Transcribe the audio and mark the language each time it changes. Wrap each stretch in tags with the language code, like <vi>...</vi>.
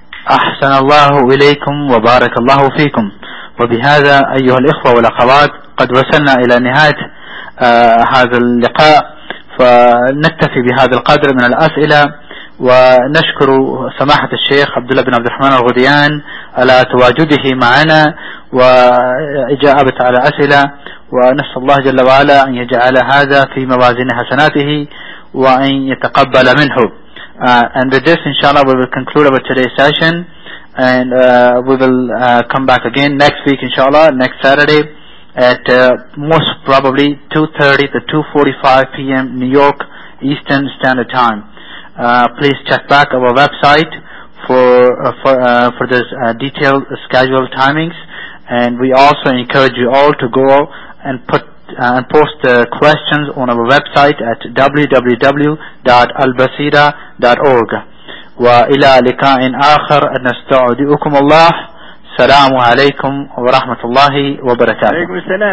<ar>أحسن الله إليكم وبارك الله فيكم. وبهذا أيها الإخوة والأخوات قد وصلنا إلى نهاية هذا اللقاء، فنكتفي بهذا القدر من الأسئلة، ونشكر سماحة الشيخ عبد الله بن عبد الرحمن الغديان على تواجده معنا وإجابة على أسئلة، ونسأل الله جل وعلا أن يجعل هذا في موازين حسناته وأن يتقبل منه.</ar> <en>And with this, inshallah, we will conclude our today's session, and we will come back again next week, inshallah, next Saturday, at most probably 2:30 to 2:45 p.m. New York Eastern Standard Time. Please check back our website for this detailed schedule timings, and we also encourage you all to go and put and post the questions on our website at www.albasira.org.</en> <ar>وإلى لقاء آخر نستودعكم الله. السلام عليكم ورحمة الله وبركاته.</ar>